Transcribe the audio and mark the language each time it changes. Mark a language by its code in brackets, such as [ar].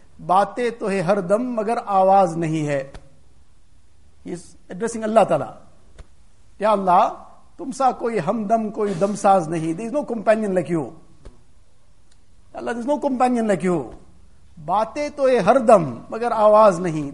[ur] باتیں تو ہے ہر دم مگر آواز نہیں ہے. [en] He is addressing Allah Ta'ala. [ur] Ya Allah, تم سا کوئی ہمدم کوئی دمساز نہیں. [en] There is no companion like you. Ya Allah, there is no companion like you. [ur] باتیں تو ہے ہر دم مگر آواز نہیں.